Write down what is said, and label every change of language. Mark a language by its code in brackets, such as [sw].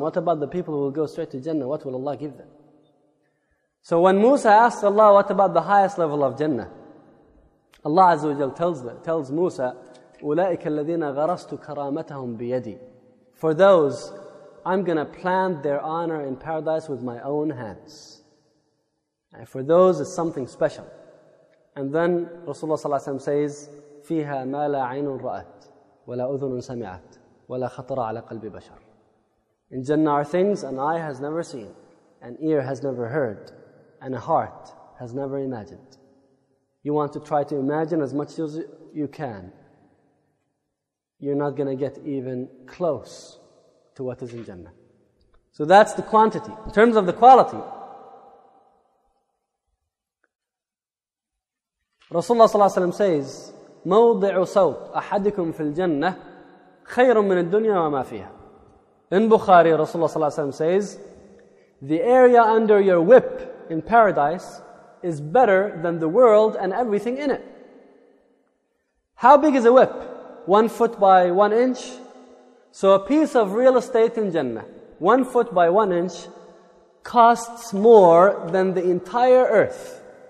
[en] What about the people who will go straight to Jannah? What will Allah give them? So when Musa asked Allah, what about the highest level of Jannah? [ar] Allah Azza wa Jal [en] tells [ar] Musa, أُولَٰئِكَ الَّذِينَ غَرَسْتُ كَرَامَتَهُمْ بِيَدِي. [en] For those, I'm going to plant their honor in paradise with my own hands. And for those, it's something special. And then [ar] Rasulullah ﷺ [en] says, [ar] فِيهَا مَا لَا عَيْنٌ رَأَتْ وَلَا أُذُنٌ سَمِعَتْ وَلَا خَطَرَ عَلَى قَلْبِ بَشَرٍ. [en] In Jannah are things an eye has never seen, an ear has never heard, and a heart has never imagined. You want to try to imagine as much as you can. You're not going to get even close to what is in Jannah. So that's the quantity. In terms of the quality, [ar] Rasulullah صلى الله عليه وسلم [en] says, [ar] مَوْضِعُ صَوْتْ أَحَدِكُمْ فِي الْجَنَّةِ خَيْرٌ مِنَ الدُّنْيَا وَمَا فِيهَا. [en] In Bukhari, Rasulullah صلى الله عليه وسلم says, the area under your whip in paradise is better than the world and everything in it. How big is a whip? 1 foot by 1 inch. So a piece of real estate in Jannah, 1 foot by 1 inch, costs more than the entire earth.